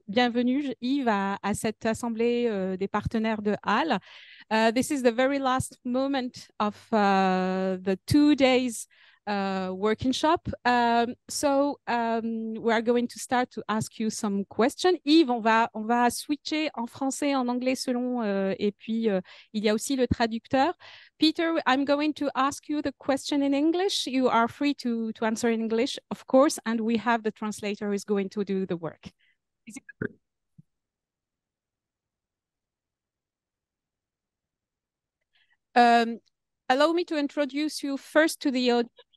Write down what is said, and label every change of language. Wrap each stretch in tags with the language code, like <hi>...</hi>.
<fr>Bienvenue, Yves, à cette assemblée des partenaires de All.</fr> <en>This is the very last moment of the 2 days working shop. We are going to start to ask you some questions.</en> <fr>Yves, on va switcher en français, en anglais selon, et puis il y a aussi le traducteur.</fr> <en>Peter, I'm going to ask you the question in English. You are free to answer in English, of course, and we have the translator who is going to do the work. Allow me to introduce you first to the audience.</en>